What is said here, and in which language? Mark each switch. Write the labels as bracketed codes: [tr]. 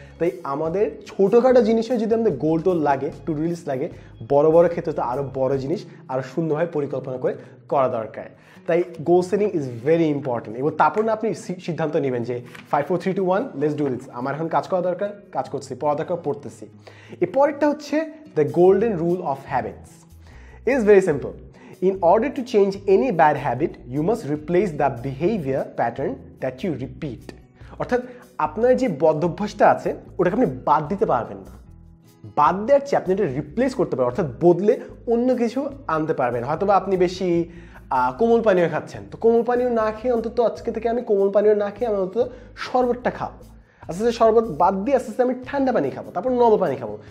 [bn] তাই আমাদের ছোটোখাটো জিনিসে যদি আমাদের গোল টোল লাগে, টু ডু লিস্ট লাগে, বড় বড় ক্ষেত্রে তো আরও বড় জিনিস আরও সুন্দরভাবে পরিকল্পনা করে করা দরকার। তাই [en] goal setting is very important [bn] এবং তারপর না আপনি সিদ্ধান্ত নেবেন যে [en] 5 4 3 2 1 let's do this, [bn] আমার এখন কাজ করা দরকার, কাজ করছি, পড়া দরকার, পড়তেছি। এরপরটা হচ্ছে [en] The golden rule of habits. It's very simple. In order to change any bad habit, you must replace the behavior pattern that you repeat. [bn] অর্থাৎ আপনার যে বদ্ধভ্যাসটা আছে ওটাকে আপনি বাদ দিতে পারবেন না, বাদ দেওয়ার চেয়ে আপনি এটা রিপ্লেস করতে পারবেন, অর্থাৎ বদলে অন্য কিছু আনতে পারবেন। হয়তো বা আপনি বেশি কোমল পানীয় খাচ্ছেন, তো কোমল পানীয় না খেয়ে অন্তত আজকে থেকে আমি কোমল পানীয় না খেয়ে আমি অন্তত শরবতটা খাবো, আস্তে আস্তে শরবত বাদ দিয়ে আস্তে আস্তে আমি ঠান্ডা পানি খাবো, তারপর নরম পানি খাবো।